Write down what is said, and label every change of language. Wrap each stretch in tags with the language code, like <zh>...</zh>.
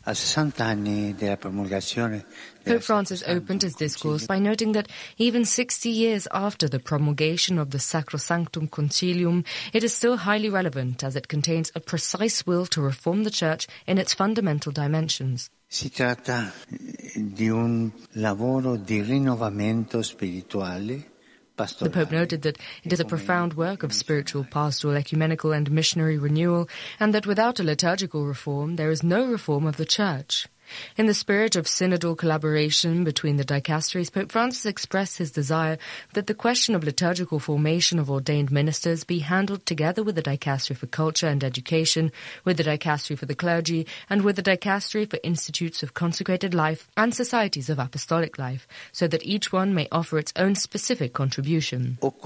<en>Pope Francis opened his discourse by noting that even 60 years after the promulgation of the Sacrosanctum Concilium, it is still highly relevant as it contains a precise will to reform the Church in its fundamental dimensions.</en> <it>Si tratta di un lavoro di rinnovamento spirituale.</it> <en>The Pope noted that it is a profound work of spiritual, pastoral, ecumenical and missionary renewal, and that without a liturgical reform, there is no reform of the Church. In the spirit of synodal collaboration between the dicasteries, Pope Francis expressed his desire that the question of liturgical formation of ordained ministers be handled together with the Dicastery for Culture and Education, with the Dicastery for the Clergy, and with the Dicastery for Institutes of Consecrated Life and Societies of Apostolic Life, so that each one may offer its own specific contribution.</en>